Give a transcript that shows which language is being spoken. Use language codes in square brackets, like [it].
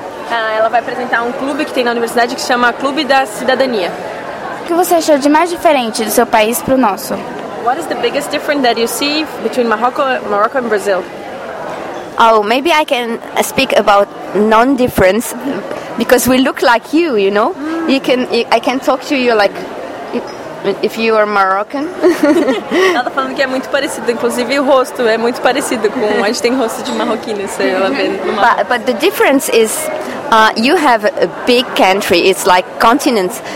[pt] Ela vai apresentar clube que tem na universidade que chama Clube da Cidadania. O que você achou de mais diferente do seu país para o nosso? [en] What is the biggest difference that you see between Morocco and Brazil? Oh, maybe I can speak about non-difference, because we look like you, you know? Mm. I can talk to you like if you are Moroccan. [pt] Ela está falando que é muito parecido, inclusive o rosto é muito parecido com... A gente tem rosto de marroquino, se ela vê no Marrocos. [en] But the difference is you have a big country, it's like continents.